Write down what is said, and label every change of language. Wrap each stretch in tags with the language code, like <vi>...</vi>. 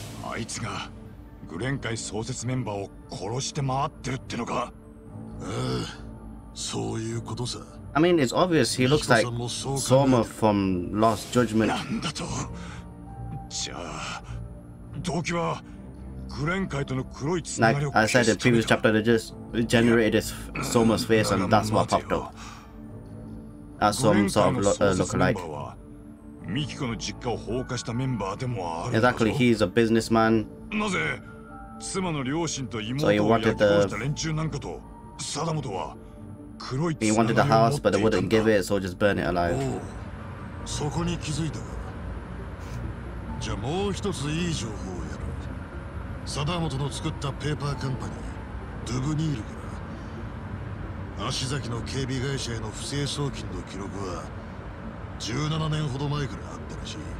<ja>あいつがグレン会創設メンバーを殺して回ってるってのか。ええ、そういうことさ。</ja> <en>I mean, it's obvious he looks like Soma from Lost Judgment.</en> <ja>なんだと。じゃあ、動機はグレン会との黒いつながりを消した。</ja> <en>Like I said in previous chapter, they just generated this Soma's face and that's what popped up. As some sort of lookalike.</en> <ja>ミキコの実家を放火したメンバーでもあるんだぞ。</ja> <en>Exactly, he's a businessman.</en> <ja>なぜ妻の両親と妹を焼き殺した連中なんかと貞本は黒いつながりを持っていたんだ。</ja> <en>He wanted the house, but they wouldn't give it, so just burn it alive.</en> <ja>そこに気づいたか。じゃあもう一ついい情報をやる。サダモトの作ったペーパーカンパニードゥブニールから足崎の警備会社への不正送金の記録は17年ほど前からあったらしい。</ja>